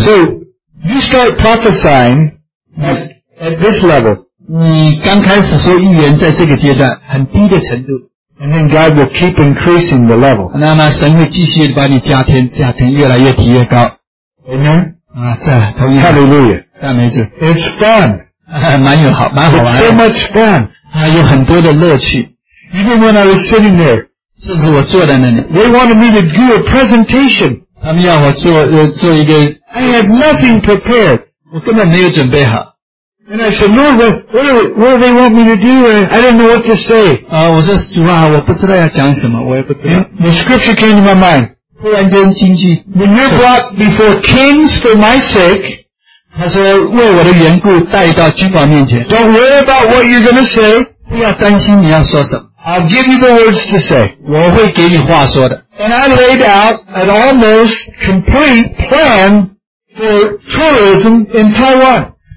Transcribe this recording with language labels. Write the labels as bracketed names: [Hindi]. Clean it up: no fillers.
[English] So, you start prophesying at this level. [Chinese] 你刚开始说预言在这个阶段，很低的程度。 [English] And then God will keep increasing the level. [Chinese] 那神会继续把你加添，越来越提越高。 [English] Amen. [Chinese] 啊，对，同意。 [English] Hallelujah. [Chinese] 赞美主。 [English] It's fun. [Chinese] 蛮好玩。 [English] It's so much fun. [Chinese] 有很多的乐趣。 [English] Even when I was sitting there, [Chinese] 甚至我坐在那里。 [English] They wanted me to do a presentation. [Chinese] 他们要我做一个。 [English] I had nothing prepared. [Chinese] 我根本没有准备好。 [English] And I said, Lord, what do they want me to do? I don't know what to say. [Chinese] 我说主啊，我不知道要讲什么，我也不知道。 [English] The scripture came to my mind. [Chinese] 忽然间惊奇, [English] when you're brought before kings for my sake, [Chinese] 他说为我的缘故带到君王面前, [English] don't worry about what you're going to say. [Chinese] 不要担心你要说什么, [English] I'll give you the words to say. [Chinese] 我会给你话说的。 [English] And I laid out an almost complete plan for tourism in Taiwan.